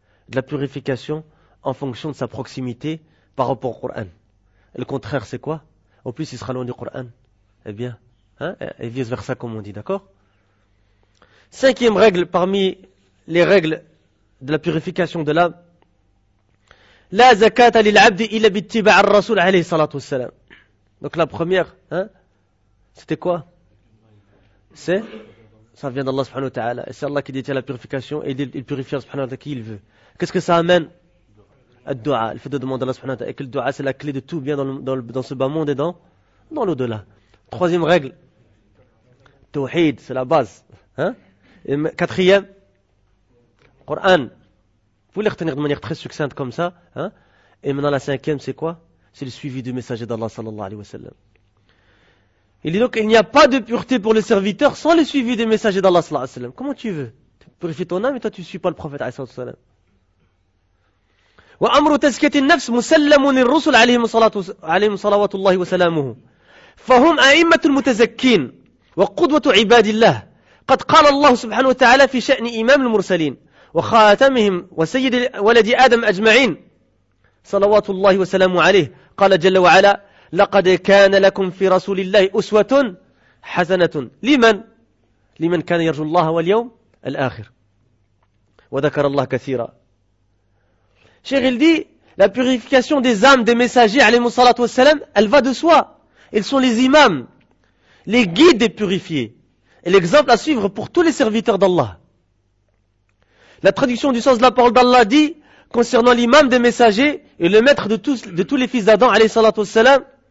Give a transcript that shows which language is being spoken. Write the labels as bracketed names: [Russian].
[French] De la purification en fonction de sa proximité par rapport au Coran. Et le contraire c'est quoi? Au plus il sera loin du Coran. Eh bien, et vice versa comme on dit, d'accord? Cinquième règle parmi les règles de la purification de l'âme. [Arabic] لا زكاة للعبد إلا باتباع الرسول عليه الصلاة والسلام. [French] Donc la première, c'était quoi? C'est, ça vient d'Allah subhanahu wa ta'ala. Et c'est Allah qui détient la purification et il purifie subhanahu wa ta'ala qui il veut. Qu'est-ce que ça amène? Ad-du'a, le fait de demander à Allah subhanahu wa ta'ala. Et que le du'a c'est la clé de tout bien dans ce bas monde et dans l'au-delà. Troisième règle, tawhid, c'est la base. Quatrième, Coran. Vous pouvez les retenir de manière très succincte comme ça. Et maintenant la cinquième, c'est quoi? C'est le suivi du messager d'Allah sallallahu alayhi wa sallam. Il dit donc, il n'y a pas de pureté pour le serviteur sans le suivi du messager d'Allah sallallahu alayhi wa sallam. Comment tu veux? Tu purifies ton âme et toi tu ne suis pas le prophète sallallahu alayhi wa sallam. [Arabic] وَأَمْرُ تَزْكِيَةِ النَّفْسِ مُسَلَّمٌ لِلرُّسُلِ عَلَيْهِمُ صَلَوَاتُ اللَّهِ وَسَلَامُهُ فَهُمْ أَئِمَّةُ الْمُتَزَكِّينَ وَقُدْوَةُ عِبَادِ اللَّهِ قَدْ قَالَ اللَّهُ سُبْحَانَهُ وَتَعَالَى فِي شَأْنِ إِمَامِ الْمُرْسَلِينَ وخاتمهم وسيد ولد آدم أجمعين صلوات الله وسلامه عليه قال جل وعلا لقد كان لكم في رسول الله أسوة حسنة لمن كان يرجو الله واليوم الآخر وذكر الله كثيرا. [French] Cheikh il dit la purification des âmes des messagers عليهم الصلاة والسلام elle va de soi. Ils sont les imams, les guides des purifiés et l'exemple à suivre pour tous les serviteurs d'Allah. La traduction du sens de la parole d'Allah dit concernant l'imam des messagers et le maître de tous les fils d'Adam, alayhi salatu wassalam.